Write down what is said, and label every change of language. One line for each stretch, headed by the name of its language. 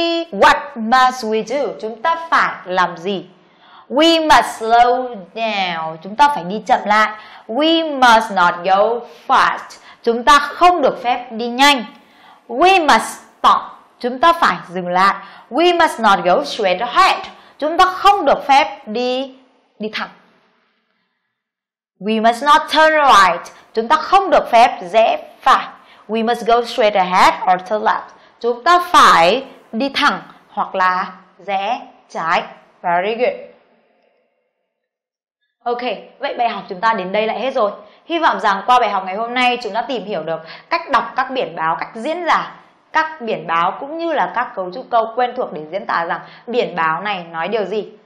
English: What must we do?
Vietnamese: Chúng ta phải làm gì?
English: We must slow down.
Vietnamese: Chúng ta phải đi chậm lại.
English: We must not go fast.
Vietnamese: Chúng ta không được phép đi nhanh.
English: We must stop.
Vietnamese: Chúng ta phải dừng lại.
English: We must not go straight ahead.
Vietnamese: Chúng ta không được phép đi thẳng.
English: We must not turn right.
Vietnamese: Chúng ta không được phép rẽ phải.
English: We must go straight ahead or turn left.
Vietnamese: Chúng ta phải đi thẳng hoặc là rẽ trái.
English: Very good.
Vietnamese: Ok, vậy bài học chúng ta đến đây lại hết rồi. Hy vọng rằng qua bài học ngày hôm nay chúng ta tìm hiểu được cách đọc các biển báo, cách diễn giải các biển báo cũng như là các cấu trúc câu quen thuộc để diễn tả rằng biển báo này nói điều gì.